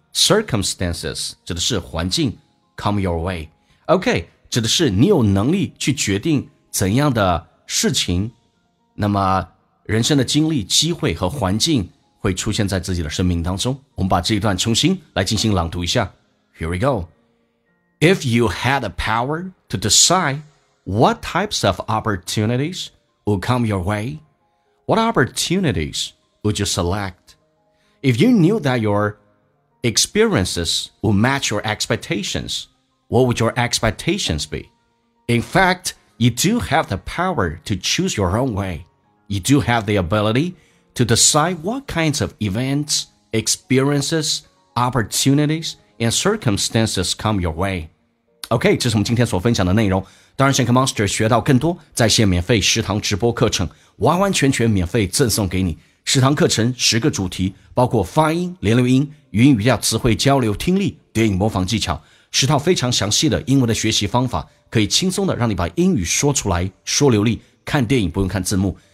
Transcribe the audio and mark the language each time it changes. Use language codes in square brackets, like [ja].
[zh] circumstances 指的是环境 [en] come your way， [zh] OK 指的是你有能力去决定怎样的事情，那么人生的经历机会和环境会出现在自己的生命当中。我们把这一段重新来进行朗读一下。 [en] Here we go. If you had the power to decide what types of opportunities would come your way, what opportunities would you select? If you knew that your experiences would match your expectations, what would your expectations be? In fact, you do have the power to choose your own way. You do have the ability to decide what kinds of events, experiences, opportunities, and circumstances come your way. [zh] OK, 这是我们今天所分享的内容。当然想跟 Monster 学到更多在线免费食堂直播课程，完完全全免费赠送给你。食堂课程十个主题，包括发音、连留音、语音语调、词汇交流、听力、叠影模仿技巧，十套非常详细的英文的学习方法，可以轻松的让你把英语说出来，说流利，看电影不用看字幕。